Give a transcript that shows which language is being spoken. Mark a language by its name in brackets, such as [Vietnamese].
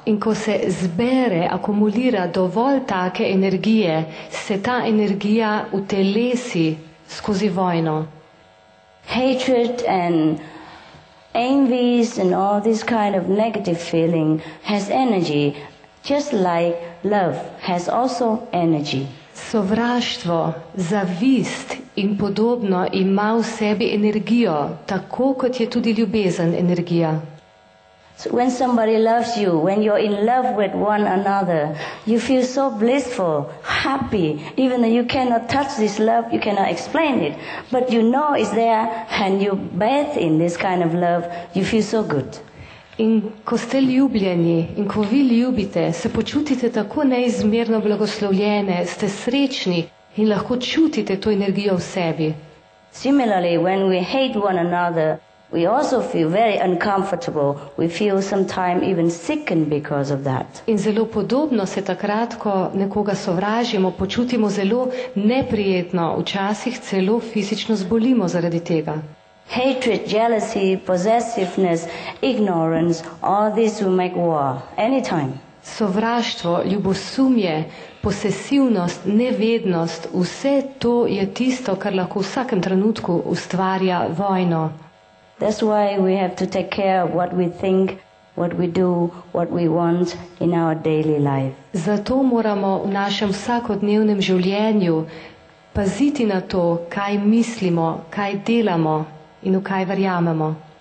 [Slovenian] In ko se zbere, akumulira dovolj take energije, se ta energija utelesi skozi vojno. [English] Hatred and envy and all this kind of negative feeling has energy, just like love has also energy. [Slovenian] Sovraštvo, zavist in podobno ima v sebi energijo, tako kot je tudi ljubezen energija. [English] So when somebody loves you, when you're in love with one another, you feel so blissful, happy, even though you cannot touch this love, you cannot explain it. But you know it's there and you bathe in this kind of love, you feel so good. [Slovenian] In ko ste ljubljeni in ko vi ljubite, se počutite tako neizmerno blagoslovljene, ste srečni in lahko čutite to energijo v sebi. [English] Similarly, when we hate one another, we also feel very uncomfortable. We feel sometimes even sickened because of that. [Slovenian] In zelo podobno se takrat, ko nekoga sovražimo, počutimo zelo neprijetno, včasih celo fizično zbolimo zaradi tega. [English] Hatred, jealousy, possessiveness, ignorance, all this will make war, anytime. [Slovenian] Sovraštvo, ljubosumje, posesivnost, nevednost, vse to je tisto, kar lahko v vsakem trenutku ustvarja vojno. [English] That's why we have to take care of what we think, what we do, what we want in our daily life. [Slovenian] Zato moramo v našem vsakodnevnem življenju paziti na to, kaj mislimo, kaj delamo. In v kaj verjamemo.